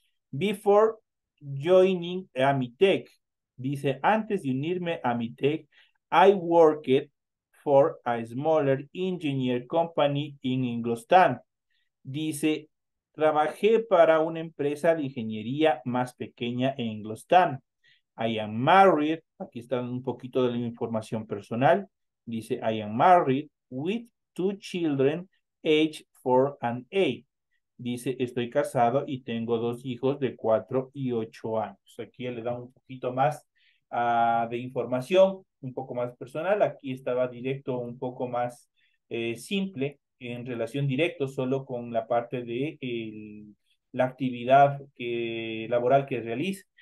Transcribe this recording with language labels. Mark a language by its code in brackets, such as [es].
[en] Before joining Amitech, [es] dice, antes de unirme a Amitech, [en] I worked for a smaller engineer company in Ingolstadt. [es] Dice, trabajé para una empresa de ingeniería más pequeña en Ingolstadt. [en] I am married. [es] Aquí está un poquito de la información personal. [en] Dice, I am married with two children, age 4 and 8. [es] Dice, estoy casado y tengo dos hijos de 4 y 8 años. Aquí ya le da un poquito más de información, un poco más personal. Aquí estaba directo, un poco más simple, en relación directo, solo con la parte de la actividad laboral que realiza.